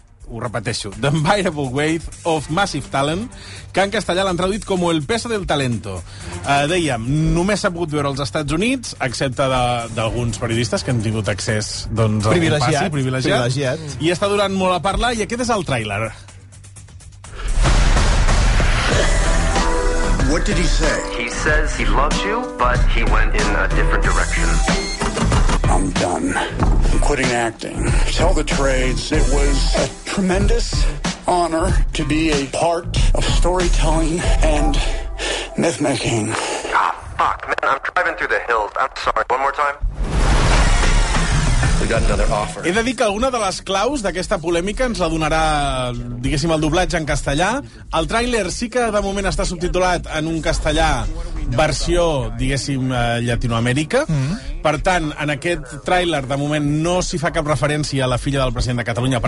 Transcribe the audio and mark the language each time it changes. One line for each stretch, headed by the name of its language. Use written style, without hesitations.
Catalan: Ho repeteixo, The Unbearable Weight of Massive Talent, que en castellà l'han traduït com El peso del talento. Dèiem, només s'ha pogut veure als Estats Units, excepte d'alguns periodistes que han tingut accés doncs, privilegiat. I està durant molt a parlar, i aquest és el tràiler.
English: What did he say? He says he loves you, but he went in a different direction. I'm done. I'm quitting acting. Tell the trades it was a tremendous honor to be a part of storytelling and myth-making. Ah, fuck, man, I'm driving through the hills. I'm sorry. One more time.
Catalan: He de dir que alguna de les claus d'aquesta polèmica ens la donarà, diguéssim, el doblatge en castellà. El tràiler sí que de moment està subtitulat en un castellà versió, diguéssim, Llatinoamèrica. Per tant, en aquest tràiler de moment no s'hi fa cap referència a la filla del president de Catalunya.